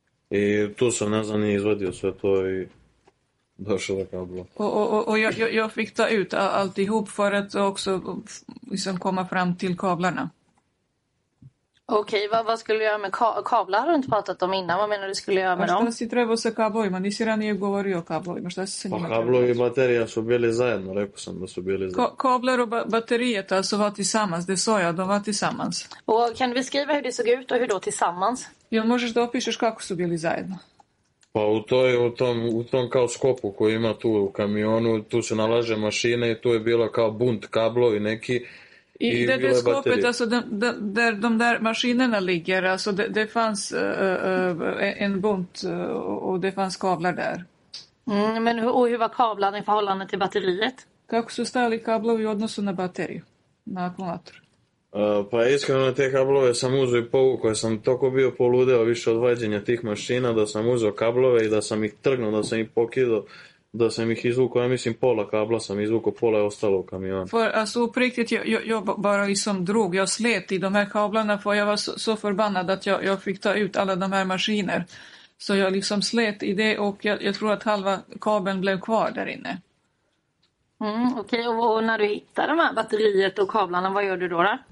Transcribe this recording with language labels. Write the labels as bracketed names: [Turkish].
[Serbian] I tu sam, ne znam, nije izvadio sve to i došao da kablo. [Swedish] Och jag fick ta ut alltihop för att också liksom komma fram till kablarna. Okej, vad skulle du göra med kablar? Har du inte pratat om innan? Vad menar du skulle göra med dem? [Serbian] Šta si trebao sa kablovima? Nisi ranije govorio o kablovima. Šta si sa njima? Pa kablovi i baterija su bili zajedno, rekao sam da su bili zajedno. [Swedish] Kablar och batteriet alltså var tillsammans, det sa jag, de var tillsammans. Och kan du beskriva hur det såg ut och hur då tillsammans? [Serbian] Ja, možeš da opišeš kako su bili zajedno. Pa u tom kao skopu koji ima tu u kamionu, tu se nalaže mašine i tu je bilo kao bunt kablovi neki. [Swedish] I det där skåpet, alltså där de där maskinerna ligger, alltså det fanns en bunt och det fanns kablar där. Mm, men hur var kablarna i förhållande till batteriet? [Serbian] Kako su stavili kablovi i odnosu na bateriju, na akumulator? Pa iskreno te kablove sam uzeo i povukao, jer sam toliko bio poludeo više od vađenja tih mašina da sam uzeo kablove i da sam ih trgnuo, da sam ih pokidao. Da sam ih izvukao, ja mislim pola kabla sam izvukao, pola je ostalo u kamionu. [Swedish] For, alltså upriktigt, jag bara liksom drog, jag slet i de här kablarna för jag var så förbannad att jag fick ta ut alla de här maskiner. Så jag liksom slet i det och jag tror att halva kabeln blev kvar där inne. Mm, okej, okay. Och när du hittar de här batteriet och kablarna, vad gör du då?